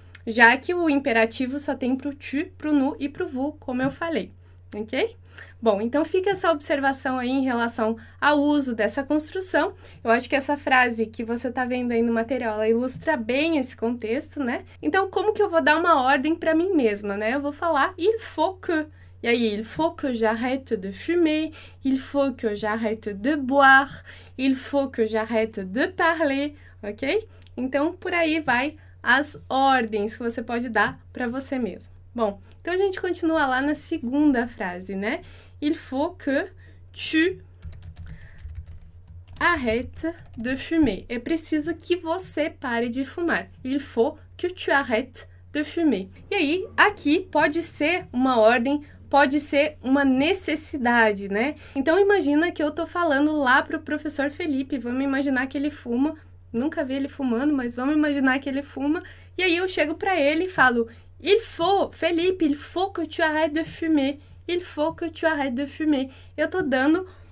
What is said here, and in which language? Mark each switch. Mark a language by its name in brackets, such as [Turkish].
[Portuguese] Já que o imperativo só tem para o tu, para o nu e para o vu, como eu falei, ok? Bom, então fica essa observação aí em relação ao uso dessa construção. Eu acho que essa frase que você está vendo aí no material, ela ilustra bem esse contexto, né? Então, como que eu vou dar uma ordem para mim mesma, né? Eu vou falar [French] il faut que. [Portuguese] E aí, [French] il faut que j'arrête de fumer, il faut que j'arrête de boire, il faut que j'arrête de parler, ok? [Portuguese] Então, por aí vai as ordens que você pode dar para você mesmo. Bom, então a gente continua lá na segunda frase, né? [French] Il faut que tu arrêtes de fumer. [Portuguese] É preciso que você pare de fumar. [French] Il faut que tu arrêtes de fumer. [Portuguese] E aí, aqui pode ser uma ordem, pode ser uma necessidade, né? Então imagina que eu tô falando lá pro professor Felipe, vamos imaginar que ele fuma. Nunca vi ele fumando, mas vamos imaginar que ele fuma. E aí eu chego para ele e falo: [French] il faut, Felipe, il faut que tu arrêtes de fumer. [Portuguese] Il faut que tu arrêtes de fumer. Eu tô dando